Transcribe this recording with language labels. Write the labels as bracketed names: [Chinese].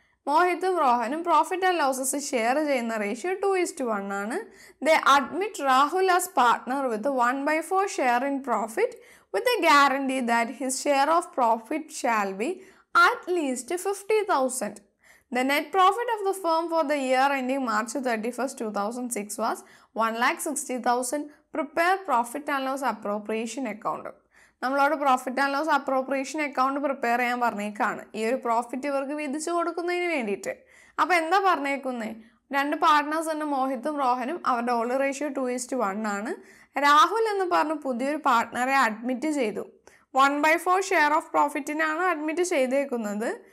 [Malayalam] മോഹിത്തും റോഹനും profit and losses share ചെയ്യുന്ന ratio 2:1 ആണ്. [English] They admit Rahul as partner with 1/4 share in profit with a guarantee that his share of profit shall be at least 50,000. The net profit of the firm for the year ending March 31st, 2006 was 1,60,000 prepare profit and loss appropriation account. [Malayalam] നമ്മളോട് profit and loss appropriation account prepare ചെയ്യാൻ പറഞ്ഞേക്കാണ്, ഈ ഒരു profit ഇവർക്ക് വിധിച്ചു കൊടുക്കുന്നതിന് വേണ്ടിയിട്ട്. അപ്പോൾ എന്താ പറഞ്ഞേക്കുന്നത്, രണ്ട് പാർട്ട്നേഴ്സ് തന്നെ മോഹിത്തും റോഹനും, അവരുടെ ഓൾഡ് റേഷ്യോ 2:1 ആണ്. രാഹുൽ എന്ന് പറഞ്ഞ് പുതിയൊരു പാർട്ട്ണറെ അഡ്മിറ്റ് ചെയ്തു. 1/4 ഷെയർ ഓഫ് പ്രോഫിറ്റിനാണ് അഡ്മിറ്റ് ചെയ്തേക്കുന്നത്.